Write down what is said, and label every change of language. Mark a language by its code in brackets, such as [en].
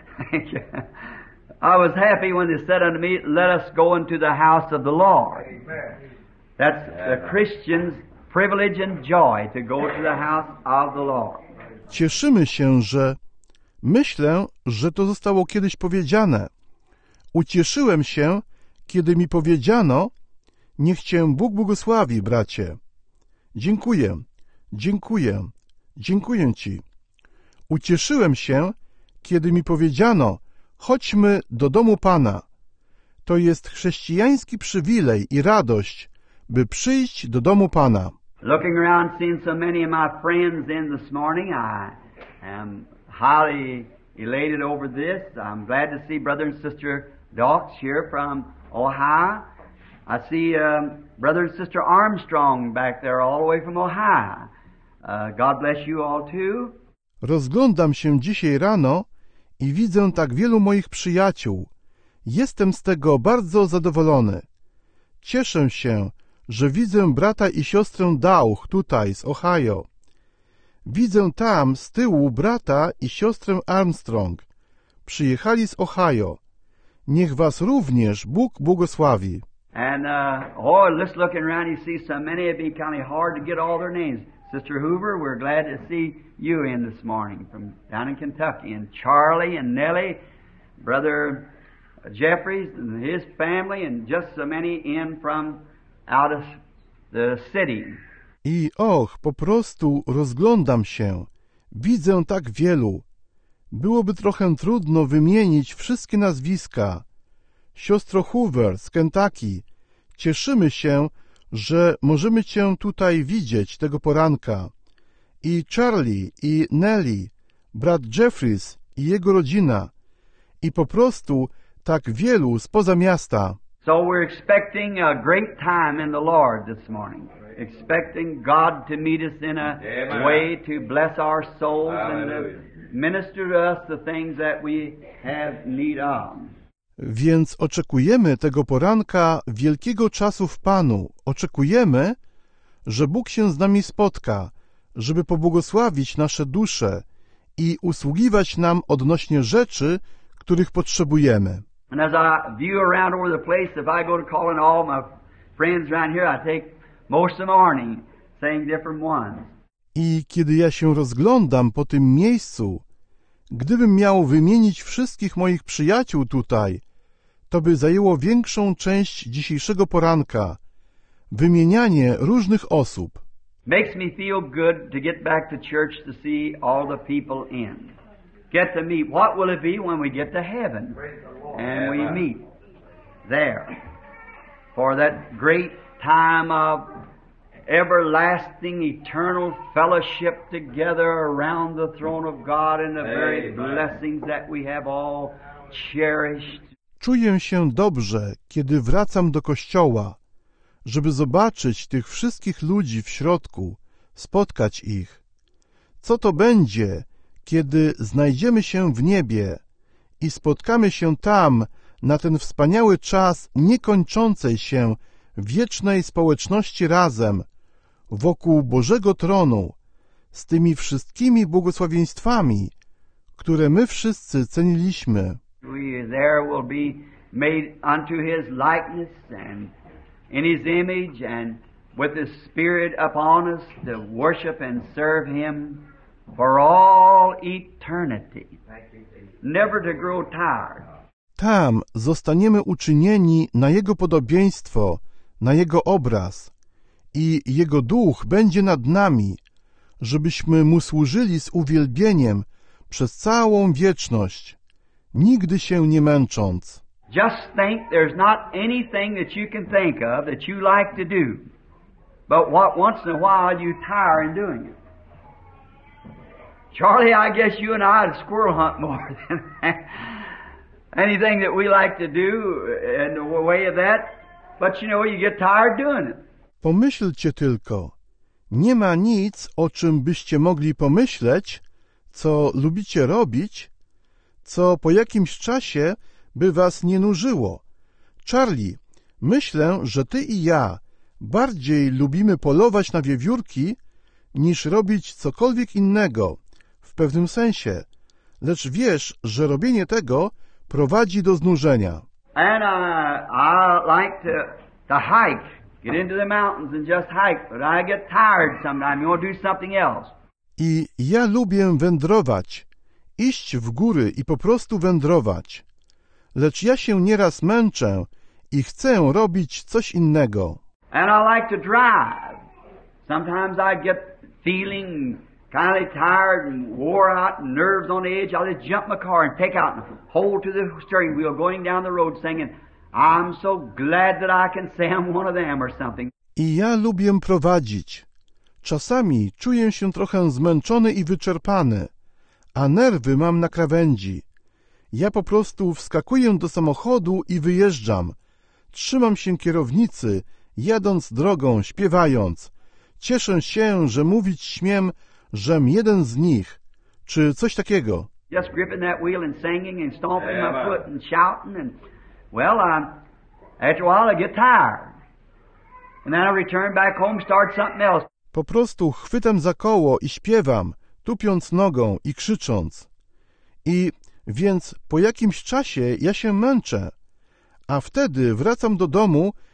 [en] Thank you. I was happy when they said unto me, let us go into the house of the Lord. Amen. That's the Christian's privilege and joy to go to the house of the Lord. [pl] Cieszymy się, że myślę, że to zostało kiedyś powiedziane. Ucieszyłem się, kiedy mi powiedziano, niech cię Bóg błogosławi, bracie. Dziękuję, dziękuję, dziękuję ci. Ucieszyłem się, kiedy mi powiedziano, chodźmy do domu Pana. To jest chrześcijański przywilej i radość, by przyjść do domu Pana. [en] Looking around, seeing so many of my friends in this morning, I am... highly elated over this. I'm glad to see brother and sister Dawkins here from Ohio. I see brother and sister Armstrong back there all the way from Ohio. God bless you all too. [pl] Rozglądam się dzisiaj rano i widzę tak wielu moich przyjaciół. Jestem z tego bardzo zadowolony. Cieszę się, że widzę brata i siostrę Dawkins tutaj z Ohio. Widzę tam z tyłu brata i siostrę Armstrong. Przyjechali z Ohio. Niech was również Bóg błogosławi. [en] Just looking around, you see so many, it'd be kind of hard to get all their names. Sister Hoover, we're glad to see you in this morning from down in Kentucky. And Charlie and Nellie, Brother Jeffries and his family, and just so many in from out of the city. [pl] I och, po prostu rozglądam się. Widzę tak wielu. Byłoby trochę trudno wymienić wszystkie nazwiska. Siostro Hoover z Kentucky, cieszymy się, że możemy Cię tutaj widzieć tego poranka. I Charlie, i Nellie, brat Jeffries i jego rodzina. I po prostu tak wielu spoza miasta. [en] So we're expecting a great time in the Lord this morning. Expecting God to meet us in a way to bless our souls and to minister to us the things that we have need of. [pl] Więc oczekujemy tego poranka wielkiego czasu w Panu. Oczekujemy, że Bóg się z nami spotka, żeby pobłogosławić nasze dusze i usługiwać nam odnośnie rzeczy, których potrzebujemy. [en] And as I view around over the place, if I go to calling all my friends around here, I take most of the morning saying different ones. [pl] I kiedy ja się rozglądam po tym miejscu, gdybym miał wymienić wszystkich moich przyjaciół tutaj, to by zajęło większą część dzisiejszego poranka. Wymienianie różnych osób. [en] Makes me feel good to get back to church to see all the people in. Get to meet. What will it be when we get to heaven? And we meet there for that great time of everlasting, eternal fellowship together around the throne of God and the very blessings that we have all cherished. [pl] Czuję się dobrze, kiedy wracam do kościoła, żeby zobaczyć tych wszystkich ludzi w środku, spotkać ich. Co to będzie, kiedy znajdziemy się w niebie i spotkamy się tam na ten wspaniały czas niekończącej się wiecznej społeczności razem wokół Bożego tronu z tymi wszystkimi błogosławieństwami, które my wszyscy ceniliśmy. [en] We there will be made unto his likeness and in his image and with his spirit upon us to worship and serve him for all eternity. Never to grow tired. [pl] Tam zostaniemy uczynieni na jego podobieństwo, na jego obraz i jego duch będzie nad nami, żebyśmy mu służyli z uwielbieniem przez całą wieczność, nigdy się nie męcząc. [en] Just think there's not anything that you can think of that you like to do, but what once in a while you tire in doing it. Charlie, I guess you and I would squirrel hunt more than anything that we like to do in the way of that. But you know, you get tired doing it. [pl] Pomyślcie tylko. Nie ma nic, o czym byście mogli pomyśleć, co lubicie robić, co po jakimś czasie by was nie nużyło. Charlie, myślę, że ty i ja bardziej lubimy polować na wiewiórki, niż robić cokolwiek innego. W pewnym sensie, lecz wiesz, że robienie tego prowadzi do znużenia. [en] And I like to hike, get into the mountains and just hike, but I get tired sometimes. You want to do something else? [pl] I ja lubię wędrować, iść w góry i po prostu wędrować, lecz ja się nieraz męczę i chcę robić coś innego. [en] And I like to drive. Sometimes I get feeling kind of tired and wore out and nerves on edge, I'll just jump my car and take out and hold to the steering wheel going down the road singing, I'm so glad that I can say I'm one of them or something. [pl] I ja lubię prowadzić. Czasami czuję się trochę zmęczony i wyczerpany, a nerwy mam na krawędzi. Ja po prostu wskakuję do samochodu i wyjeżdżam. Trzymam się kierownicy, jadąc drogą, śpiewając. Cieszę się, że mówić śmiem, żem jeden z nich, czy coś takiego. [en] Just gripping that wheel and singing and stomping my foot and shouting and after a while I get tired. And then I return back home, start something else. [pl] Po prostu chwytam za koło i śpiewam, tupiąc nogą i krzycząc. I więc po jakimś czasie ja się męczę, a wtedy wracam do domu